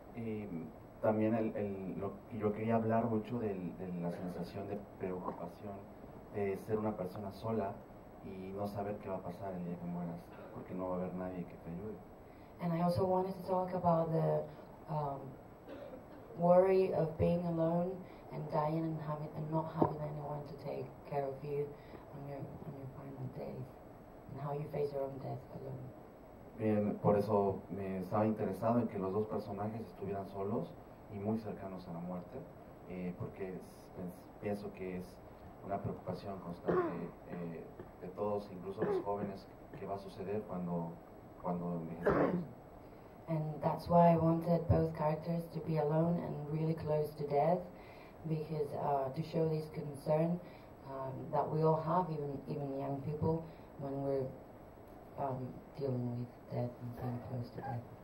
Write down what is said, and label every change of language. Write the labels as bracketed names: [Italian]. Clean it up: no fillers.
[Spanish] Y también lo que yo quería hablar mucho de la sensación de preocupación de ser una persona sola y no saber qué va a pasar el día que mueras, porque no va a haber nadie que te ayude. [English] And I also wanted to talk about the worry of being alone and dying and not having anyone to take care of you on your final days, and how you face your own death alone. [Spanish] Bien, por eso me estaba interesado en que los dos personajes estuvieran solos y muy cercanos a la muerte, porque pienso que es una preocupación constante de todos, incluso los jóvenes, qué va a suceder cuando envejezcamos. [English] And that's why I wanted both characters to be alone and really close to death, because to show this concern that we all have, even young people, when we're dealing with death and being close to death.